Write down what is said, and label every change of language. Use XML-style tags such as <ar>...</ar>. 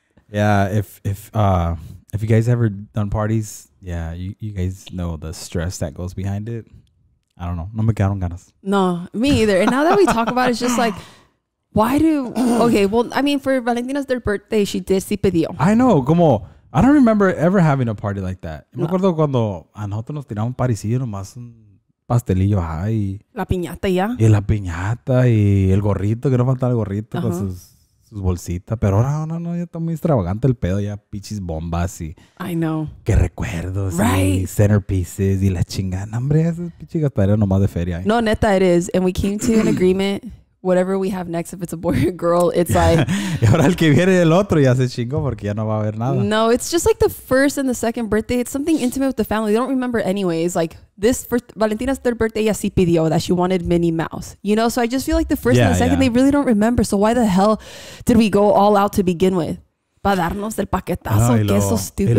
<en>Yeah, if you guys ever done parties, yeah, you guys know the stress that goes behind it. I don't know.</en> <es>No me quedaron ganas.</es> <en>No, me either. And now that we talk about it, it's just like, why do, okay, well, I mean, for Valentina's third birthday, she did</en> <es>si pidió.</es> <en>I know, como. I don't remember ever having a party like that. No.</en> <es>Me acuerdo cuando a nosotros nos tiramos un parisillo nomás un pastelillo ahí. La piñata ya. Y la piñata y el gorrito, que no faltaba el gorrito con sus bolsitas. Pero ahora no, ya está muy extravagante el pedo ya. Pichis bombas y...</es> <en>I know.</en> <es>Qué recuerdos. Right. Y centerpieces y la chingada. No, hombre, esas pichis gastaderas nomás de feria.</es> <en>No, neta, it is. And we came to an agreement. Whatever we have next, if it's a boy or girl, it's like...</en> <es>Y ahora el que viene el otro ya se chingó porque ya no va a haber nada.</es> <en>No, it's just like the first and the second birthday. It's something intimate with the family. They don't remember anyways. Like this first... Valentina's third birthday,</en> <es>ella sí pidió</es> <en>that she wanted Minnie Mouse. You know, so I just feel like the first and the second, they really don't remember. So why the hell did we go all out to begin with?</en> <es>Para darnos el paquetazo, no, que eso stupid.</es>